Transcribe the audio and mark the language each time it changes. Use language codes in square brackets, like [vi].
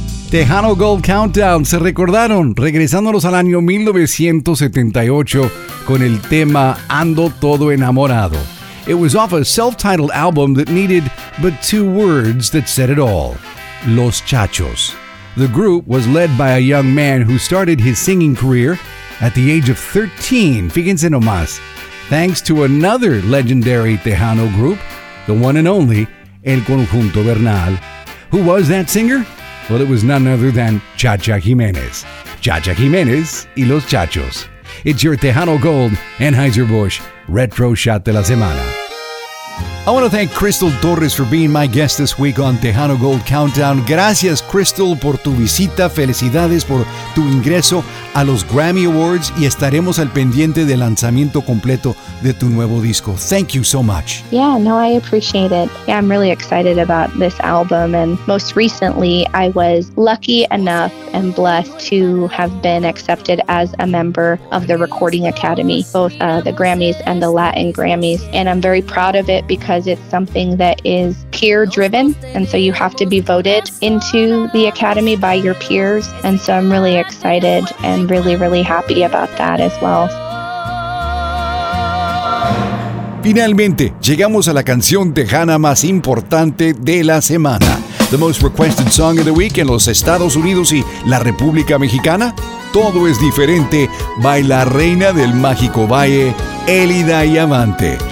[es] Tejano Gold Countdown, se recordaron, regresándonos al año 1978 con el tema Ando Todo Enamorado. [en] It was off a self-titled album that needed but two words that said it all. Los Chachos. The group was led by a young man who started his singing career at the age of 13, [es] fíjense nomás, [en] thanks to another legendary Tejano group, the one and only El Conjunto Bernal. Who was that singer? Well, it was none other than Chacha Jimenez. Chacha Jimenez y Los Chachos. It's your Tejano Gold, Anheuser-Busch, Retro Shot de la Semana. I want to thank Crystal Torres for being my guest this week on Tejano Gold Countdown. [es] Gracias, Crystal, por tu visita. Felicidades por tu ingreso a los Grammy Awards y estaremos al pendiente del lanzamiento completo de tu nuevo disco. [en] Thank you so much. Yeah, no, I appreciate it. Yeah, I'm really excited about this album. And most recently, I was lucky enough and blessed to have been accepted as a member of the Recording Academy, both the Grammys and the Latin Grammys. And I'm very proud of it because because it's something that is peer driven, and so you have to be voted into the Academy by your peers. And so I'm really excited and really, really happy about that as well. [es] Finalmente, llegamos a la canción tejana más importante de la semana. [en] The most requested song of the week [es] en los Estados Unidos y la República Mexicana. Todo es diferente by la reina del mágico valle, Elida Yavante.